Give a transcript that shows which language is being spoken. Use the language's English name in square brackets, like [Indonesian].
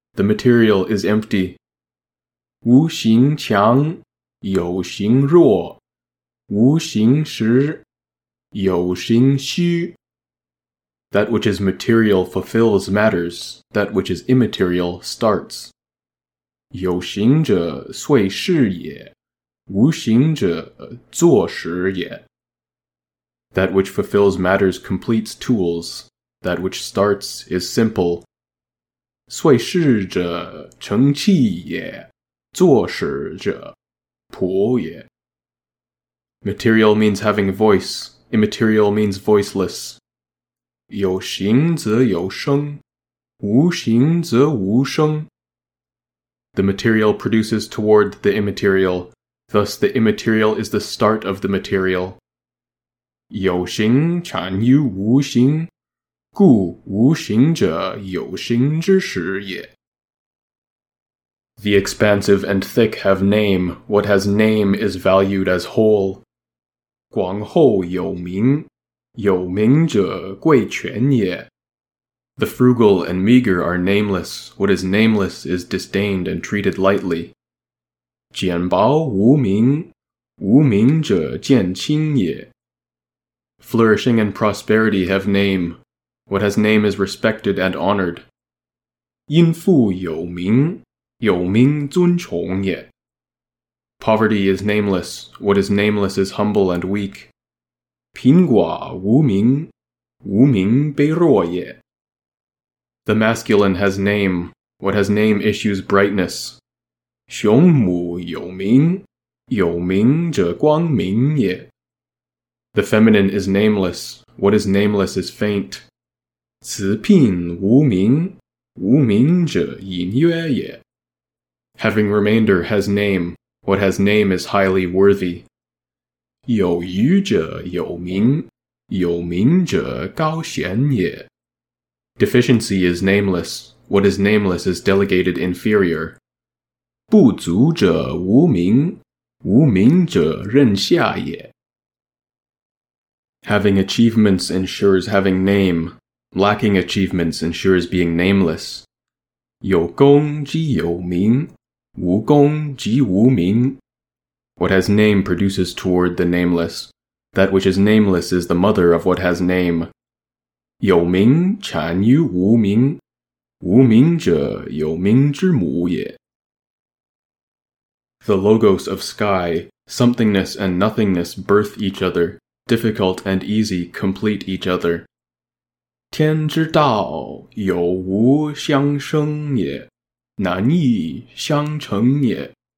[English] The material is empty. [Chinese] 无形强，有形弱。无形实，有形虚。 [English] That which is material fulfills matters, that which is immaterial starts. [Chinese] 有形者遂事也，无形者作实也。 [English] That which fulfills matters completes tools, that which starts is simple. [Chinese] 遂事者成器也，作实者朴也。 [English] Material means having voice, immaterial means voiceless. [Chinese] 有形则有声，无形则无声。 [English] The material produces toward the immaterial, thus the immaterial is the start of the material. [Chinese] 有形产于无形，故无形者有形之始也。 [English] The expansive and thick have name, what has name is valued as whole. [Chinese] 广厚有名，有名者贵全也。 [English] The frugal and meager are nameless, what is nameless is disdained and treated lightly. [Chinese] 简薄无名，无名者见轻也。 [English] Flourishing and prosperity have name, what has name is respected and honored. [Chinese] 因富有名，有名尊崇也。 [English] Poverty is nameless, what is nameless is humble and weak. [Chinese] 贫寡无名，无名卑弱也。 [English] The masculine has name, what has name issues brightness. [Chinese] 雄母有名，有名者光明也。 [English] The feminine is nameless, what is nameless is faint. [Chinese] 此聘无名，无名者隐约也。 [English] Having remainder has name, what has name is highly worthy. [Chinese] 有余者有名，有名者高贤也。 [English] Deficiency is nameless, what is nameless is delegated inferior. [Chinese] 不足者无名，无名者任下也。 [English] Having achievements ensures having name, lacking achievements ensures being nameless. [Chinese] 有功即有名，无功即无名。 [English] What has name produces toward the nameless. That which is nameless is the mother of what has name. [Chinese] 有名产于无名，无名者有名之母也。 [English] The logos of sky, somethingness and nothingness birth each other, difficult and easy complete each other. [Chinese] 天之道，有无相生也。难易相成也。